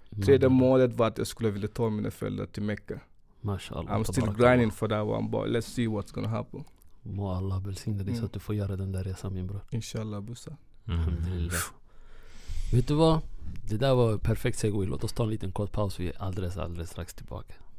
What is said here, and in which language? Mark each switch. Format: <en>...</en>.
<sv>Tredje målet var att jag skulle vilja ta mina föräldrar till Mecca.</sv> <ar>Mashallah.</ar> <en>I'm still grinding for that one, but let's see what's gonna happen.</en> <sv>Må Allah välsigna dig så att du får göra den där resan, min bror.</sv> <ar>Inshallah, Bussa.</ar> <sv>Vet du vad? Det där var perfekt segway. Låt oss ta en liten kort paus. Vi är alldeles, alldeles strax tillbaka.</sv>